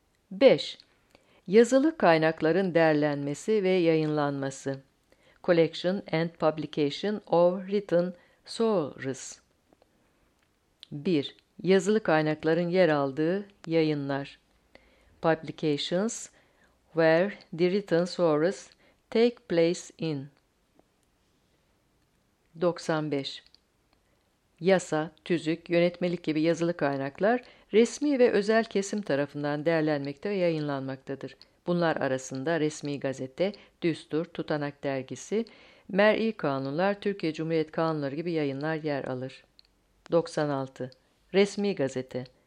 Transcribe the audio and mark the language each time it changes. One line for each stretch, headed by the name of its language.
Turkish: 5. Yazılı kaynakların derlenmesi ve yayınlanması.
English: Collection and Publication of Written Sources. 1.
Turkish: Yazılı kaynakların yer aldığı yayınlar.
English: Publications where the written sources take place in. 95.
Turkish: Yasa, tüzük, yönetmelik gibi yazılı kaynaklar resmi ve özel kesim tarafından derlenmekte ve yayınlanmaktadır. Bunlar arasında resmi gazete, düstur, tutanak dergisi, mer'i kanunlar, Türkiye Cumhuriyet kanunları gibi yayınlar yer alır. 96. Resmi gazete.